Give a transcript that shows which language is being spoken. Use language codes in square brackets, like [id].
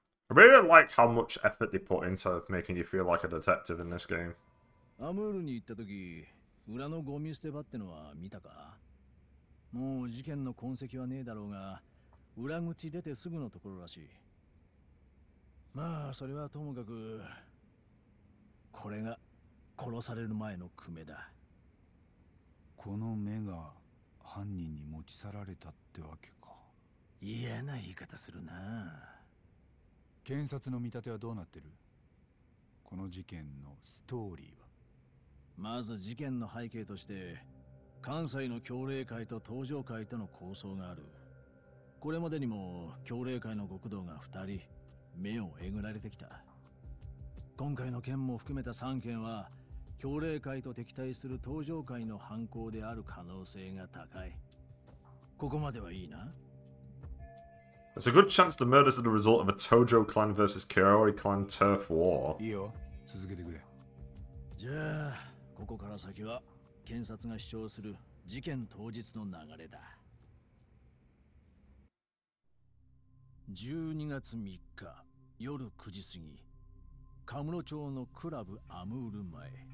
[en] I really like how much effort they put into making you feel like a detective in this game. [ja] アムールに行った時、裏のゴミ捨て場ってのは見たか？もう事件の痕跡はねえだろうが、裏口出てすぐのところらしい。まあそれはともかく、これが殺される前の久米だ。この目が犯人に持ち去られたってわけか。嫌な言い方するな。検察の見立てはどうなってる？この事件のストーリーは。まず事件の背景として関西の協力会と搭乗会との抗争がある。これまでにも教令会の極道が2人目をえぐられてきた。今回の件も含めた3件は教令会と敵対する東条会の犯行である可能性が高い。ここまではいいな。 [en] There's a good chance the murders are the result of a Tojo clan versus Kaori clan turf war. [ja] いいよ、続けてくれ。じゃあ、ここから先は検察が主張する事件当日の流れだ。 12月3日夜9時過ぎ、カムロ町のクラブアムール前。